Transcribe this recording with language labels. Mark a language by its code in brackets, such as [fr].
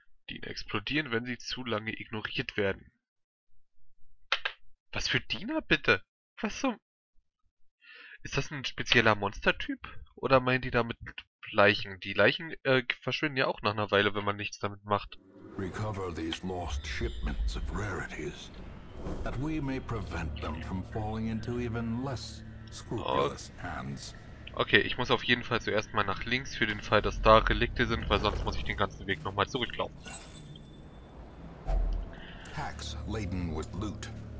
[de] Die explodieren, wenn sie zu lange ignoriert werden. Was für Diener, bitte? Was zum... ist das ein spezieller Monstertyp? Oder meinen die damit Leichen? Die Leichen verschwinden ja auch nach einer Weile, wenn man nichts damit macht. [en] Recover these lost shipments of rarities, that we may prevent them from falling into even less scrupulous hands. [de] Okay, ich muss auf jeden Fall zuerst mal nach links, für den Fall, dass da Relikte sind, weil sonst muss ich den ganzen Weg nochmal zurücklaufen. [en] Packs laden with loot.